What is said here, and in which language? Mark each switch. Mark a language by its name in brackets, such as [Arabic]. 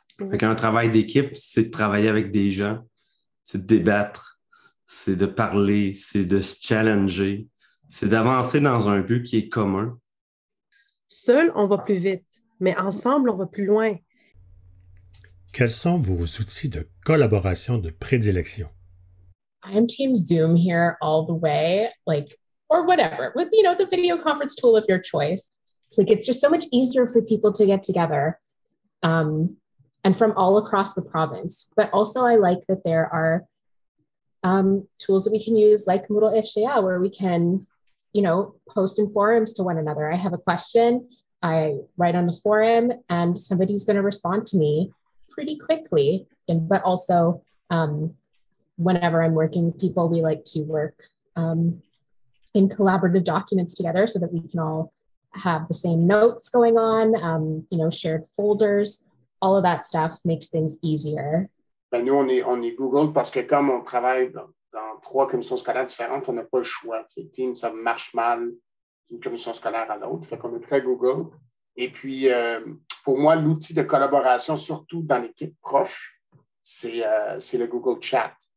[French] Fait qu'un travail d'équipe, c'est de travailler avec des gens, c'est de débattre, c'est de parler, c'est de se challenger, c'est d'avancer dans un but qui est commun. Seul, on va plus vite, mais ensemble, on va plus loin. Quels sont vos outils de collaboration de prédilection? [English] I'm Team Zoom here all the way, like, or whatever, with, you know, the video conference tool of your choice. Like, it's just so much easier for people to get together. And from all across the province. But also I like that there are tools that we can use like Moodle Ifshaya, where we can, you know, post in forums to one another. I have a question, I write on the forum and somebody's gonna respond to me pretty quickly. And, but also whenever I'm working with people, we like to work in collaborative documents together so that we can all have the same notes going on, you know, shared folders. All of that stuff makes things easier. [French] Ben nous, on est Google parce que comme on travaille dans trois commissions scolaires différentes, on n'a pas le choix. T'sais, Teams, ça marche mal d'une commission scolaire à l'autre. Fait qu'on est très Google. Et puis, pour moi, l'outil de collaboration, surtout dans l'équipe proche, c'est le Google Chat.